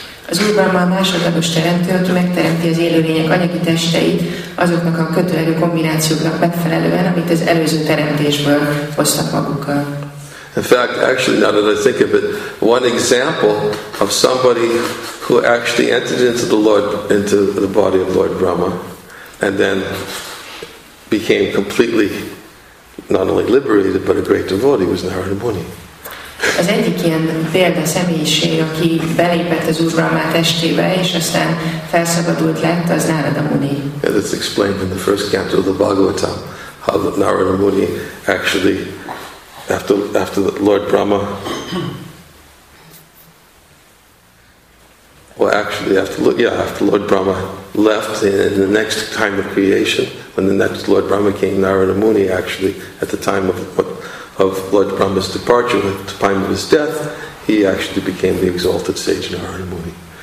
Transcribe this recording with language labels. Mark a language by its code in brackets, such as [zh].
[hu] Az Úr Brahma a másodlagos teremtőt, megteremti az élőlények anyagi testeit azoknak a kötőerő kombinációknak megfelelően, amit az előző teremtésből hoztak magukkal. [en] In fact, actually, now that I think of it, one example of somebody who actually entered into the body of Lord Brahma and then became completely not only liberated but a great devotee was Narada Muni. [hu] Az egyik ilyen példa személyiség, aki belépett az Úr Brahmá testébe, és aztán felszabadult lett, az Narada Muni. [en] Yeah, that's explained in the first canto of the Bhagavatam, how Narada Muni actually, after the Lord Brahma, well, actually, after Lord Brahma left, in the next time of creation, when the next Lord Brahma came, Narada Muni, actually, at the time of Lord Brahma's departure, at the time of his death, he actually became the exalted sage Narada Muni.